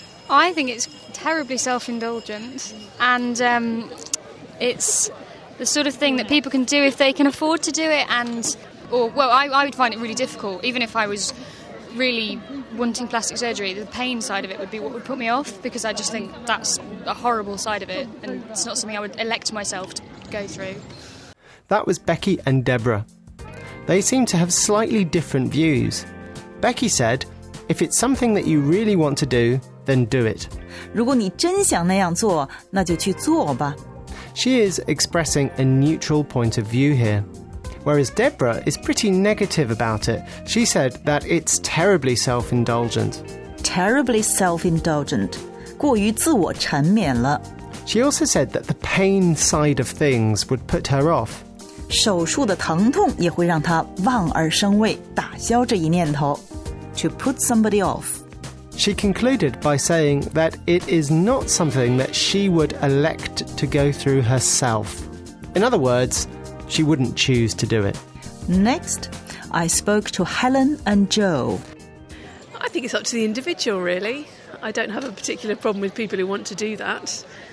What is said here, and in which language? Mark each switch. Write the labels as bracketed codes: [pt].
[en] I think it's terribly self-indulgent and it's the sort of thing that people can do if they can afford to do it and, or, well, I would find it really difficult, even if I was really wanting plastic surgery, the pain side of it would be what would put me off because I just think that's a horrible side of it and it's not something I would elect myself to go through. That was Becky and Deborah. They seem to have slightly different views. Becky said, if it's something that you really want to do,Then do it. [zh] 如果你真想那样做，那就去做吧。 [en] She is expressing a neutral point of view here. Whereas Deborah is pretty negative about it. She said that it's terribly self-indulgent. Terribly self-indulgent. [zh] 过于自我沉湎了。 [en] She also said that the pain side of things would put her off. [zh] 手术的疼痛也会让她望而生畏，打消这一念头。 [en] To put somebody off. She concluded by saying that it is not something that she would elect to go through herself. In other words, she wouldn't choose to do it. Next, I spoke to Helen and Joe. I think it's up to the individual, really. I don't have a particular problem with people who want to do that.